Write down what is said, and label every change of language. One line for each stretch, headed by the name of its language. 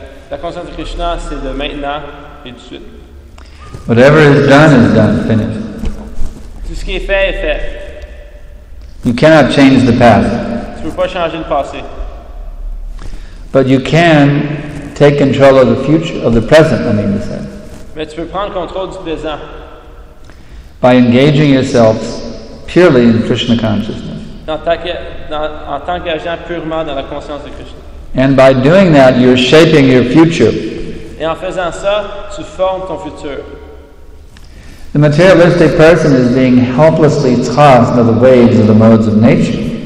French: La conscience de Krishna, c'est de maintenant et de suite.
English: Whatever is done, finished.
French: Tout ce qui est fait, est fait.
English: You cannot change the past.
French: Tu peux pas changer le passé.
English: But you can take control of the future, of the present, I mean to say.
French: Mais tu peux prendre contrôle du présent.
English: By engaging yourself purely in Krishna consciousness.
French: En t'engageant purement dans la conscience de Krishna.
English: And by doing that, you're shaping your future.
French: Et en faisant ça, tu formes ton futur.
English: The materialistic person is being helplessly tossed by the waves of the modes of nature.